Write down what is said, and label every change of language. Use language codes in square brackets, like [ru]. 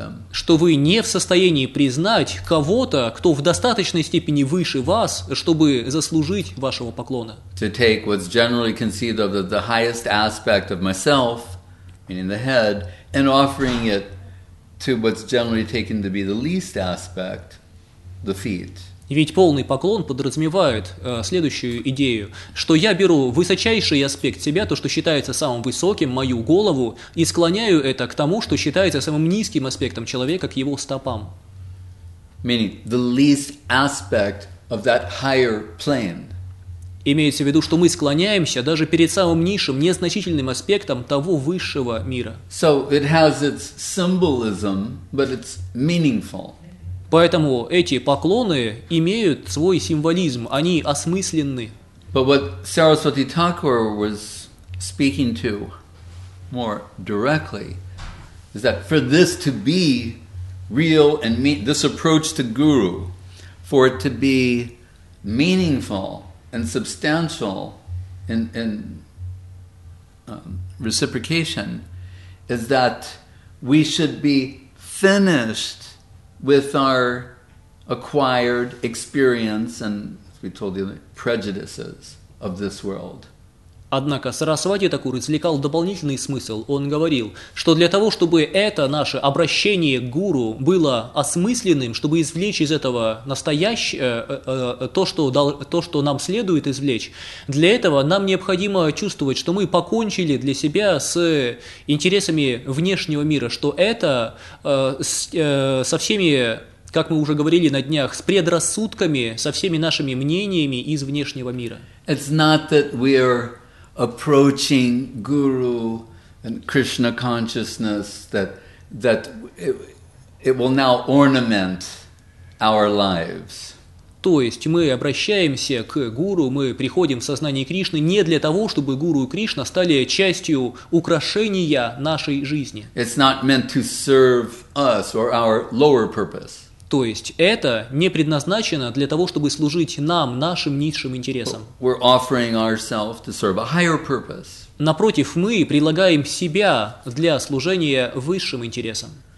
[ru] Что вы не в состоянии признать кого-то, кто в достаточной степени выше вас, чтобы заслужить вашего поклона. [en] To take what's generally conceived of the highest aspect of myself, meaning the head, and offering it to what's generally taken to be the least aspect, the feet. [ru] Ведь полный поклон подразумевает следующую идею, что я беру высочайший аспект себя, то, что считается самым высоким, мою голову, и склоняю это к тому, что считается самым низким аспектом человека, к его стопам. [en] Meaning, the least aspect of that higher plane. [ru] Имеется в виду, что мы склоняемся даже перед самым низшим, незначительным аспектом того высшего мира. [en] So it has its symbolism, but it's meaningful. [ru] Поэтому эти поклоны имеют свой символизм, они осмысленны. [en] But what Saraswati Thakur was speaking to more directly is that for this to be real and this approach to guru, for it to be meaningful and substantial in reciprocation, is that we should be finished with our acquired experience and, as we told you, prejudices of this world. [ru] Однако Сарасвати Такур извлекал дополнительный смысл. Он говорил, что для того, чтобы это наше обращение к гуру было осмысленным, чтобы извлечь из этого настоящее, то, что нам следует извлечь, для этого нам необходимо чувствовать, что мы покончили для себя с интересами внешнего мира, что это со всеми, как мы уже говорили на днях, с предрассудками, со всеми нашими мнениями из внешнего мира. [en] It's not that we're approaching guru and Krishna consciousness that it will now ornament our lives. [ru] То есть мы обращаемся к гуру, мы приходим в сознание Кришны не для того, чтобы гуру и Кришна стали частью украшения нашей жизни. [en] It's not meant to serve us or our lower purpose. [ru] То есть это не предназначено для того, чтобы служить нам, нашим низшим интересам. [en] We're offering ourselves to serve a higher purpose. [ru] Напротив, мы предлагаем себя для служения высшим интересам.